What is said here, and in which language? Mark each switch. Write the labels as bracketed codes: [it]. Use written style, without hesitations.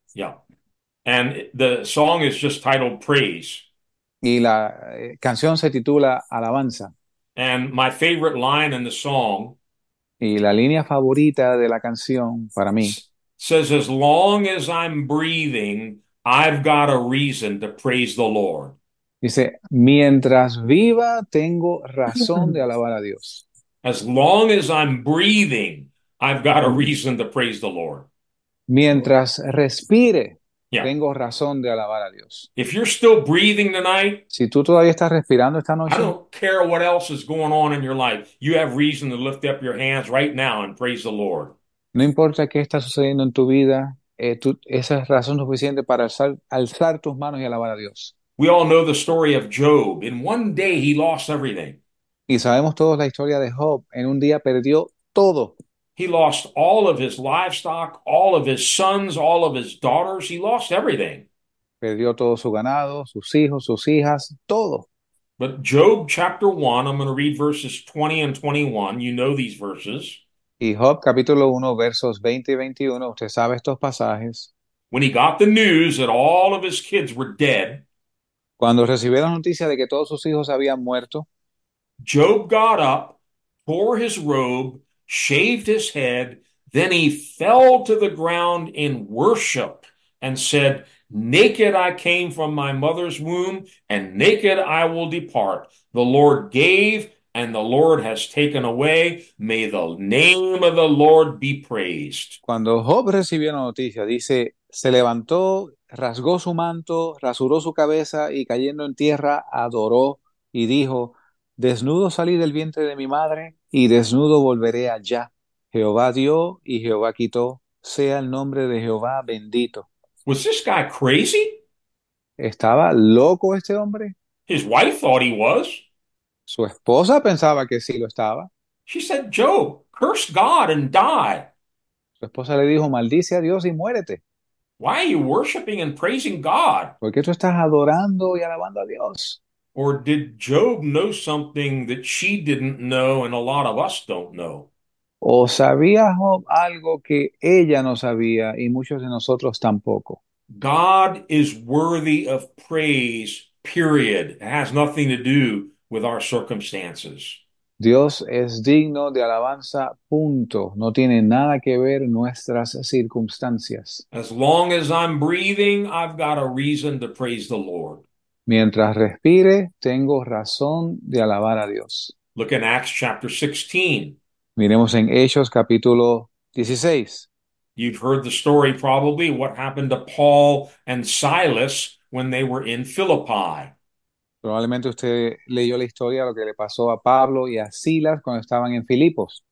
[en] Yeah. And the song is just titled Praise. [es] Y la canción se titula Alabanza. [en] And my favorite line in the song [es] Y la línea favorita de la canción para mí [en] says, as long as I'm breathing, I've got a reason to praise the Lord. [es] dice, mientras viva, tengo razón de alabar a Dios. [en] As long as I'm breathing, I've got a reason to praise the Lord. [es] Mientras respire, Yeah. tengo razón de alabar a Dios. [en] If you're still breathing tonight, [es] Si tú todavía estás respirando esta [en] I [es] noche, [en] don't care what else is going on in your life. You have reason to lift up your hands right now and praise the Lord. [es] no importa qué está sucediendo en tu vida, esa es razón suficiente para alzar tus manos y alabar a Dios. [en] We all know the story of Job. In one day, he lost everything. [es] Y sabemos todos la historia de Job. En un día perdió todo. [en] He lost all of his livestock, all of his sons, all of his daughters. He lost everything. [es] Perdió todo su ganado, sus hijos, sus hijas, todo. [en] But Job chapter 1, I'm going to read verses 20 and 21. You know these verses. [es] Y Job capítulo 1, versos 20 y 21. Usted sabe estos pasajes. [en] When he got the news that all of his kids were dead, [es] Cuando recibieron la noticia de que todos sus hijos habían muerto, [en] Job got up, tore his robe, shaved his head, then he fell to the ground in worship and said, Naked I came from my mother's womb, and naked I will depart. The Lord gave, and the Lord has taken away. May the name of the Lord be praised. [es] Cuando Job recibió la noticia, dice, se levantó, rasgó su manto, rasuró su cabeza y cayendo en tierra, adoró y dijo, desnudo salí del vientre de mi madre y desnudo volveré allá. Jehová dio y Jehová quitó, sea el nombre de Jehová bendito. [en] Was this guy crazy? [es] ¿Estaba loco este hombre? [en] His wife thought he was. [es] ¿Su esposa pensaba que sí lo estaba? [en] She said, Job, curse God and die. [es] Su esposa le dijo, maldice a Dios y muérete. [en] Why are you worshiping and praising God? [es] Porque tú estás adorando y alabando a Dios. [en] Or did Job know something that she didn't know and a lot of us don't know? [es] ¿O sabía Job algo que ella no sabía y muchos de nosotros tampoco? [en] God is worthy of praise, period. It has nothing to do with our circumstances. [es] Dios es digno de alabanza, punto. No tiene nada que ver nuestras circunstancias. [en] As long as I'm breathing, I've got a reason to praise the Lord. [es] Mientras respire, tengo razón de alabar a Dios. [en] Look in Acts chapter 16. [es] Miremos en Hechos capítulo 16. [en] You've heard the story probably, what happened to Paul and Silas when they were in Philippi. [es] Probablemente usted leyó la historia, lo que le pasó a Pablo y a Silas cuando estaban en Filipos.